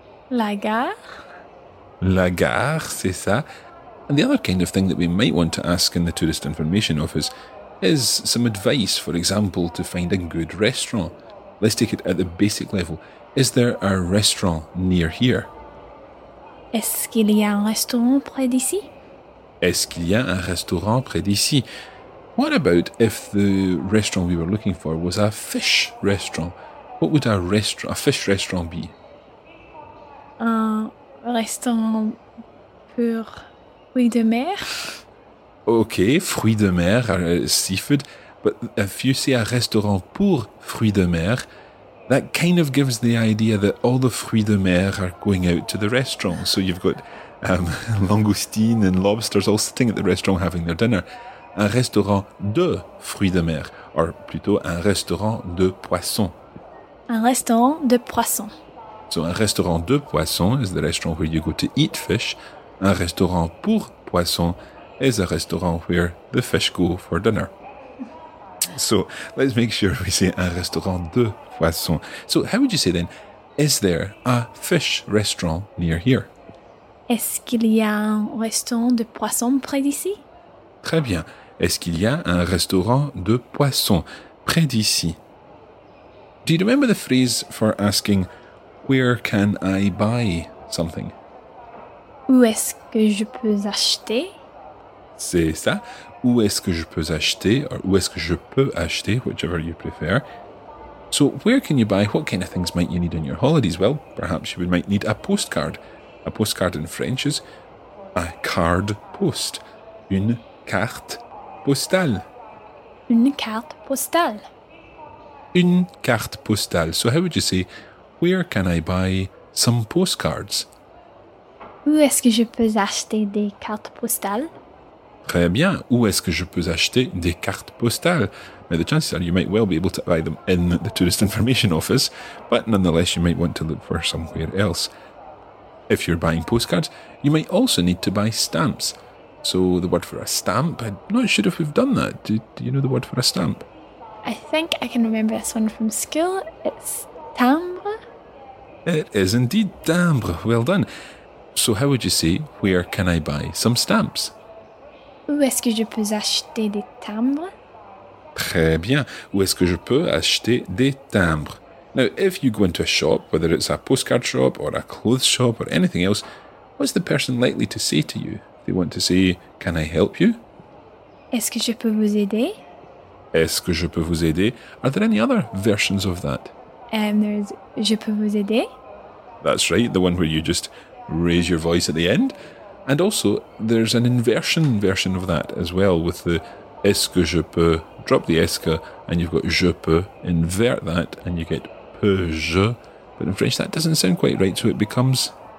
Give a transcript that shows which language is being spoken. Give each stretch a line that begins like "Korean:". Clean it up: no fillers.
French: La gare. La gare, c'est ça.
English: And the other kind of thing that we might want to ask in the tourist information office is some advice, for example, to find a good restaurant. Let's take it at the basic level. Is there a restaurant near here?
French: Est-ce qu'il y a un restaurant près d'ici? Est-ce qu'il y a un restaurant près d'ici?
English: What about if the restaurant we were looking for was a fish restaurant? What would a fish restaurant be?
French: Un restaurant pur fruits de mer.
English: Okay, fruits de mer, seafood. But if you say
French: a restaurant pour fruits de mer,
English: that kind of gives the idea that all the fruits de mer are going out to the restaurant. So you've got langoustine and lobsters all sitting at the restaurant having their dinner.
French: Un restaurant de fruits de mer, or plutôt un restaurant de poisson. Un restaurant de poisson.
English: So,
French: un restaurant de poisson
English: is the restaurant where you go to eat fish.
French: Un restaurant pour poisson
English: is a restaurant where the fish go for dinner. So, let's make sure we say
French: un restaurant de poisson.
English: So, how would you say then, is there a fish restaurant near here?
French: Est-ce qu'il y a un restaurant de poisson près d'ici? Très bien. Est-ce qu'il y a un restaurant de poisson près d'ici?
English: Do you remember the phrase for asking, where can I buy something?
French: Où est-ce que je peux acheter? C'est ça. Où est-ce que je peux acheter? Or où est-ce que je peux acheter?
English: Whichever you prefer. So where can you buy? What kind of things might you need on your holidays? Well, perhaps you might need a postcard. A postcard in French is a
French: carte poste. Une carte postale. une carte postale. Une carte postale.
English: So how would you say, where can I buy some postcards?
French: Où est-ce que je peux acheter des cartes postales? Très bien. Où est-ce que je peux acheter des cartes postales?
English: Now, the chances are you might well be able to buy them in the tourist information office, but nonetheless, you might want to look for somewhere else. If you're buying postcards, you might also need to buy stamps. So the word for a stamp, I'm not sure if we've done that. Do you know the word for a stamp? I think I can remember this one from school. It's timbre. It is indeed timbre. Well done. So how would you say, where can I buy some stamps?
French: Où est-ce que je peux acheter des timbres? Très bien. Où est-ce que je peux acheter des timbres?
English: Now, if you go into a shop, whether it's a postcard shop or a clothes shop or anything else, what's the person likely to say to you? They want to say, can I help you?
French: Est-ce que je peux vous aider? Est-ce que je peux vous aider?
English: Are there any other versions of that? There's
French: je peux vous aider.
English: That's right, the one where you just raise your voice at the end. And also, there's an inversion version of that as well, with the
French: est-ce que je peux,
English: drop the est-ce, and you've got je peux, invert that, and you get
French: peux-je.
English: But in French, that doesn't sound quite right, so it becomes...